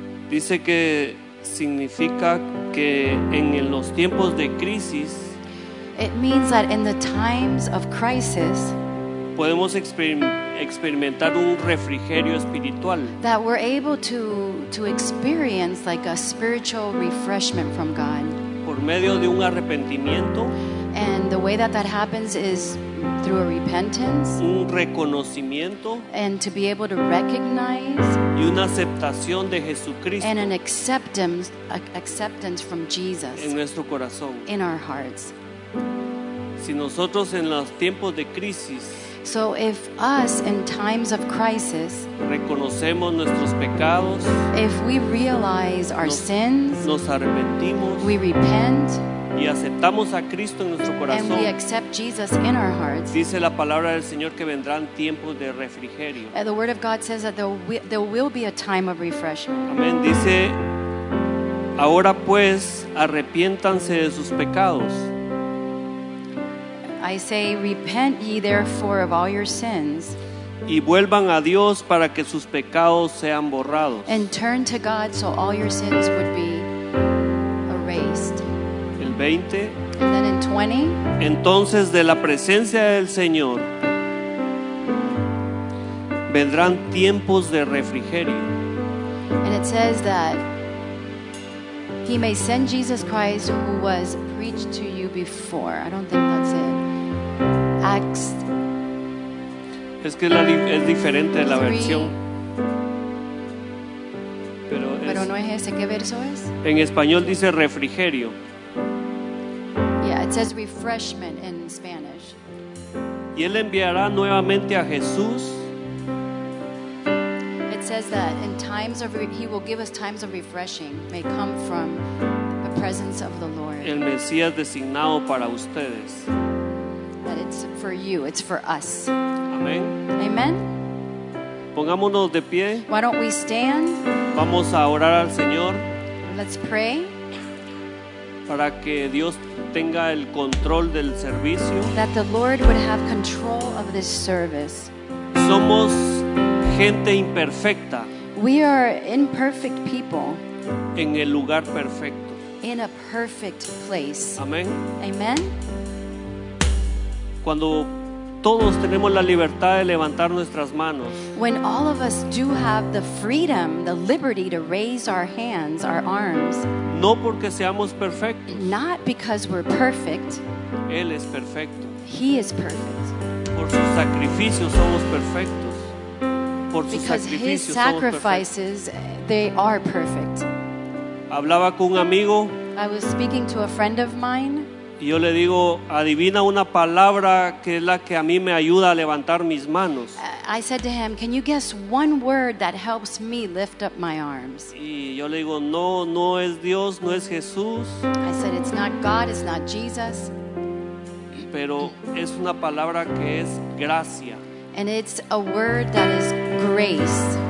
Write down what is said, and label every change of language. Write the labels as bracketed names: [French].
[Spanish] dice que significa que en los tiempos de crisis, [English] it means that in the times of crisis, [Spanish] podemos experimentar un refrigerio espiritual. [English] That we're able to experience like a spiritual refreshment from God. [Spanish] Por medio de un arrepentimiento. [English] And the way that happens is through a repentance. [Spanish] Un reconocimiento. [English] And to be able to recognize. [Spanish] Y una aceptación de Jesucristo. [English] And an acceptance from Jesus. [Spanish] En nuestro corazón. [English] In our hearts. [Spanish] Si nosotros en los tiempos de crisis. [English] So if us in times of crisis, [Spanish] reconocemos nuestros pecados, [English] if we realize our sins, [Spanish] nos arrepentimos, [English] we repent, [Spanish] y aceptamos a Cristo en nuestro corazón, [English] and we accept Jesus in our hearts, [Spanish] dice la palabra del Señor que vendrán tiempos de refrigerio. [English] The word of God says that there will be a time of refreshment. [Spanish] Amén. Dice, ahora pues, arrepiéntanse de sus pecados. [English] I say, repent ye therefore of all your sins. [Spanish] Y vuelvan a Dios para que sus pecados sean borrados. [English] And turn to God so all your sins would be erased. [Spanish] El 20. [English] And then in 20. [Spanish] Entonces de la presencia del Señor vendrán tiempos de refrigerio. [English] And it says that he may send Jesus Christ who was preached to you before. I don't think that's it. [Spanish] Es que es diferente de la versión. Pero no es ese. ¿Qué verso es? En español dice refrigerio. [English] Yeah, it says refreshment in Spanish. [Spanish] Y él enviará nuevamente a Jesús. [English] It says that in times of he will give us times of refreshing may come from the presence of the Lord. [Spanish] El Mesías designado para ustedes. [English] For you, it's for us. [Spanish] Amén. [English] Amen. [Spanish] Pongámonos de pie. [English] Why don't we stand? [Spanish] Vamos a orar al Señor. [English] Let's pray. [Spanish] Para que Dios tenga el control del servicio. [English] That the Lord would have control of this service. [Spanish] Somos gente imperfecta. [English] We are imperfect people. [Spanish] En el lugar perfecto. [English] In a perfect place. [Spanish] Amén. [English] Amen. [Spanish] Cuando todos tenemos la libertad de levantar nuestras manos. [English] When all of us do have the freedom, the liberty to raise our hands, our arms. [Spanish] No porque seamos perfectos. [English] Not because we're perfect. [Spanish] Él es perfecto. [English] He is perfect. [Spanish] Por su sacrificio somos perfectos. Por [English] because [Spanish] su [English] his sacrifices, they are perfect. [Spanish] Hablaba con un amigo. [English] I was speaking to a friend of mine. [Spanish] Y yo le digo, adivina una palabra que es la que a mí me ayuda a levantar mis manos. [English] I said to him, can you guess one word that helps me lift up my arms? [Spanish] Y yo le digo, no es Dios, no es Jesús. [English] I said, it's not God, it's not Jesus. [Spanish] Pero es una palabra que es gracia. [English] And it's a word that is grace.